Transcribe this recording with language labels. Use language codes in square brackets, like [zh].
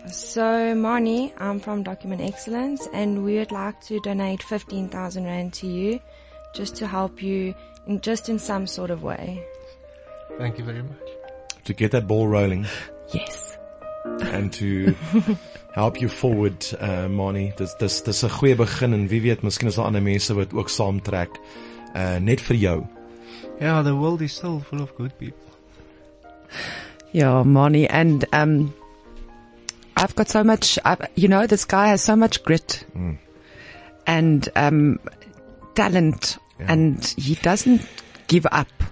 [en] So, Marnie, I'm from Document Excellence, and we would like to donate 15,000 Rand to you just to help you in, just in some sort of way. Thank you very much. To get that ball rolling. Yes. And to help you forward, Marnie. [af] Dis 'n goeie begin en wie weet, miskien is daar ander mense wat ook saamtrek. Net vir jou. [en] Yeah, the world is still full of good people. Yeah, Marnie, and I've got so much, you know, this guy has so much grit and talent and he doesn't give up.